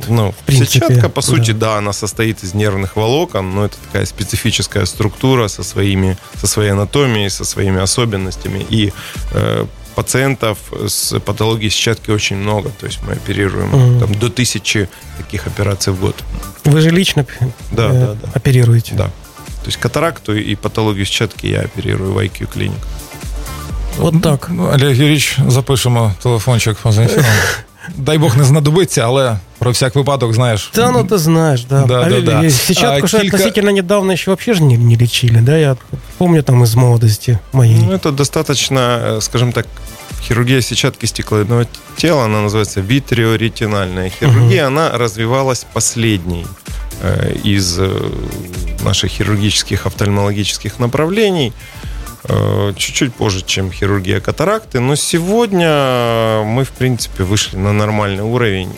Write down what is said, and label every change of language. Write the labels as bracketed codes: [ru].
[ru] Ну, в принципе, сетчатка, по сути, да, она состоит из нервных волокон, но это такая специфическая структура со своей анатомией, со своими особенностями. И пациентов с патологией сетчатки очень много. То есть мы оперируем там, до 1000 таких операций в год. Вы же лично оперируете? Да. То есть катаракту и патологию сетчатки я оперирую в IQ клинику. Вот так. [uk] Ну, Олег Юрійович, запишемо телефончик по зафіксуємо. Дай Бог не знадобиться, але про всяк випадок знаєш. Да, ну ти знаєш, да. Да, да, да. [ru] Сетчатку ж относительно недавно ще взагалі ж не лечили, да? [uk] Я помню там із молодості моєї. Ну, це достатньо, скажімо так, хірургія сетчатки стекловидного тіла, вона називається вітріоретинальна хірургія, вона розвивалась останній із наших хірургічних офтальмологічних направлень. [ru] Чуть-чуть позже, чем хирургия катаракты. Но сегодня мы, в принципе, вышли на нормальный уровень.